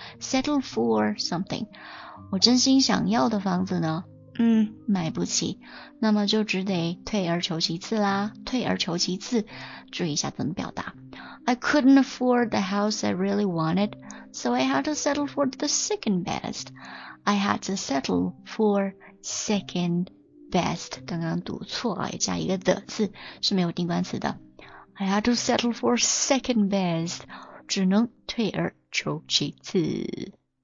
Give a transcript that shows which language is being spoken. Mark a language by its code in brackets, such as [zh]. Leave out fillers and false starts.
[en] settle for something， [zh] 我真心想要的房子呢买不起，那么就只得退而求其次啦，退而求其次。注意一下怎么表达。 [en] I couldn't afford the house I really wanted, so I had to settle for the second best. I had to settle forsecond best， [zh] 刚刚读错啊，加一个的字是没有定冠词的。 [en] I had to settle for second best， [zh] 只能退而求其次。